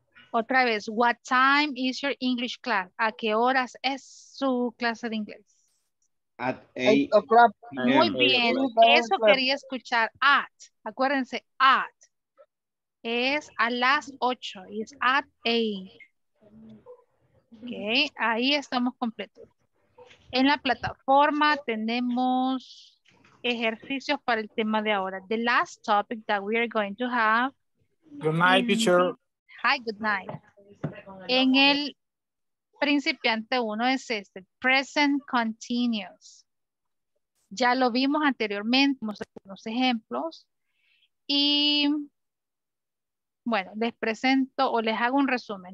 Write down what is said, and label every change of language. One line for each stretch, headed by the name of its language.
Spanish: Otra vez,
English: what time is your English class?
Spanish: ¿A qué horas es su clase de inglés?
English: At 8 o'clock.
Spanish: Muy bien, eso quería escuchar. At, acuérdense, at. Es a las 8,
English: it's at 8.
Spanish: Ok, ahí estamos completos. En la plataforma tenemos ejercicios para el tema de ahora.
English: The last topic that we are going to have. Good night, teacher. Hi, good night.
Spanish: En el principiante uno es este, present continuous. Ya lo vimos anteriormente, mostré unos ejemplos. Y bueno, les presento o les hago un resumen.